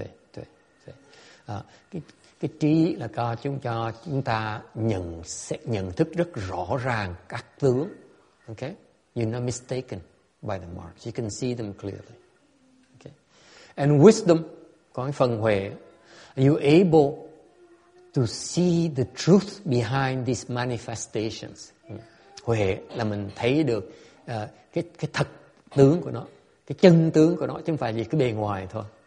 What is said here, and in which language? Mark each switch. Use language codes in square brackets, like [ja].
[vi] 对，cái trí là cho chúng ta nhận thức rất rõ ràng các tướng. [en] Okay, you're not mistaken by the marks. You can see them clearly. Okay, and wisdom, [vi] còn phần huệ, [en] you're able to see the truth behind these manifestations. [vi] Huệ là mình thấy được cái thật tướng của nó, cái chân tướng của nó, chứ không phải gì cái bề ngoài thôi.